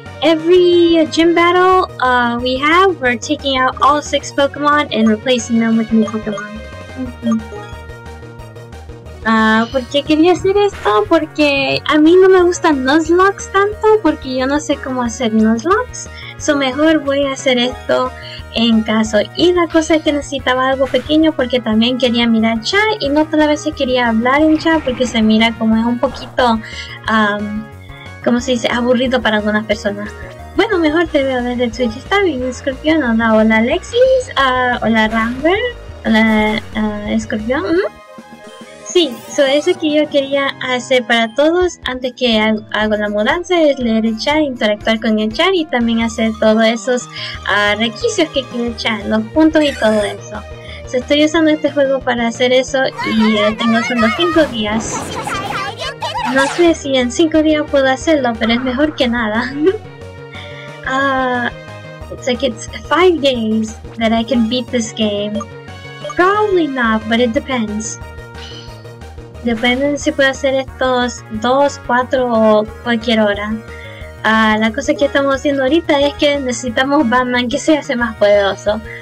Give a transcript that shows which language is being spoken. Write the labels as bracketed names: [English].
[English] Every gym battle we have, we're taking out all 6 Pokemon and replacing them with new Pokemon. [Spanish] ¿Por qué quería hacer esto? Porque a mí no me gustan Nuzlocke tanto, porque yo no sé cómo hacer Nuzlocke. So mejor voy a hacer esto en caso. Y la cosa es que necesitaba algo pequeño porque también quería mirar chat y no todas las veces quería hablar en chat porque se mira como es un poquito, ¿cómo se dice? Aburrido para algunas personas. Bueno, mejor te veo desde Twitch. Está bien, Escorpión. Hola, Alexis. Hola, Ramber. Hola, Escorpión. Sí, so eso que yo quería hacer para todos antes que hago la mudanza es leer el chat, interactuar con el chat y también hacer todos esos requisitos que quiere el chat, los puntos y todo eso. So estoy usando este juego para hacer eso y tengo solo 5 días. No sé si en 5 días puedo hacerlo, pero es mejor que nada. [English] It's like it's 5 days that I can beat this game. Probably not, but it depends. [Spanish] Depende si puedo hacer estos 2, 4 o cualquier hora. La cosa que estamos haciendo ahorita es que necesitamos Batman que se hace más poderoso.